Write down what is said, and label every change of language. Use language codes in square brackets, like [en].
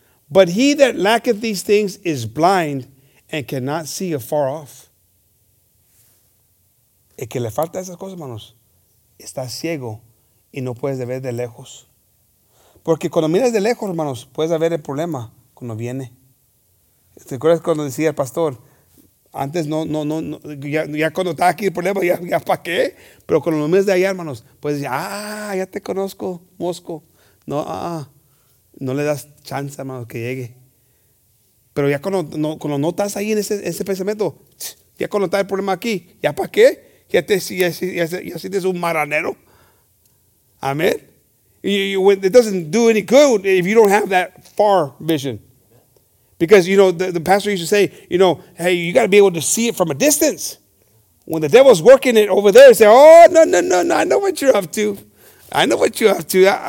[en] But he that lacketh these things is blind and cannot see afar off. [es] El que le falta esas cosas, hermanos, está ciego y no puedes ver de lejos. Porque cuando miras de lejos, hermanos, puedes ver el problema cuando viene. ¿Te acuerdas cuando decía el pastor? Antes no ya cuando estaba aquí el problema, ya para qué. Pero cuando lo miras de allá, hermanos, puedes decir, ya te conozco, mosco. No le das chance, hermanos, que llegue. Pero ya cuando no estás ahí en ese pensamiento, ya cuando está el problema aquí, ¿ya para qué? Ya sientes un maranero. Amén. [en] It doesn't do any good if you don't have that far vision. Because, you know, the pastor used to say, you know, hey, you got to be able to see it from a distance. When the devil's working it over there, say, no, I know what you're up to. I know what you're up to.